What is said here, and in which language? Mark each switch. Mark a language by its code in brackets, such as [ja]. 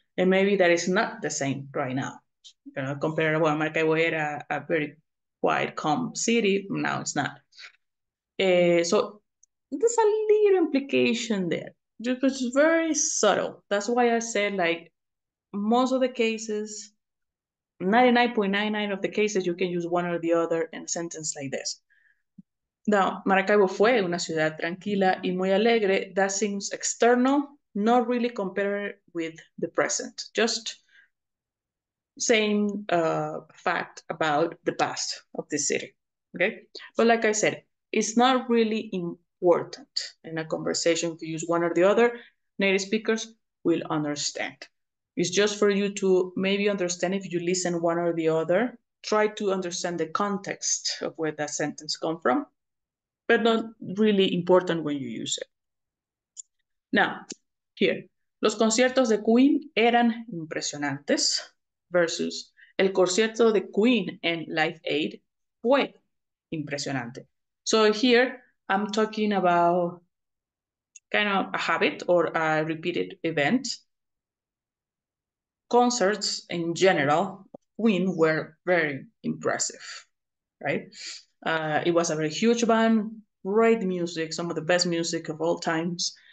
[en] And maybe that is not the same right now. You know, compare well, [es] Maracaibo era [en] a very quiet, calm city. Now it's not. So there's a little implication there. Just it's very subtle. That's why I said like most of the cases 99.99 of the cases, you can use one or the other in a sentence like this. Now, [es] Maracaibo fue una ciudad tranquila y muy alegre. [en] That seems external, not really compared with the present. Just same fact about the past of the city. Okay? But like I said, it's not really important in a conversation if you use one or the other. Native speakers will understand. It's just for you to maybe understand if you listen one or the other. Try to understand the context of where that sentence come from, but not really important when you use it. Now, here, [es] los conciertos de Queen eran impresionantes versus el concierto de Queen en Live Aid fue impresionante. [en] So here, I'm talking about kind of a habit or a repeated event. Concerts in general, Queen were very impressive, right? It was a very huge band, great music, some of the best music of all times.